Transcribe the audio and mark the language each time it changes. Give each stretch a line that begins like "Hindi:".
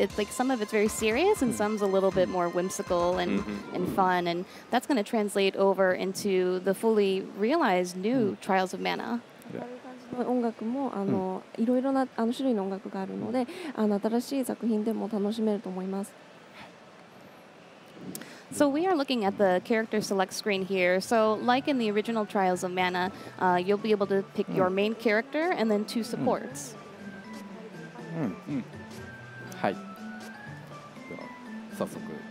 English: It's like some of it's very serious and some's a little bit more whimsical and, and fun. And that's going to translate over into the fully realized new Trials of Mana. Yeah.
Japanese: 音楽もあの、いろいろなあの種類の音楽があるので、あの、新しい作品でも楽しめると思います。
English: So we are looking at the character select screen here. So like in the original Trials of Mana, you'll be able to pick your main character and then two supports.
Japanese: はい。早速。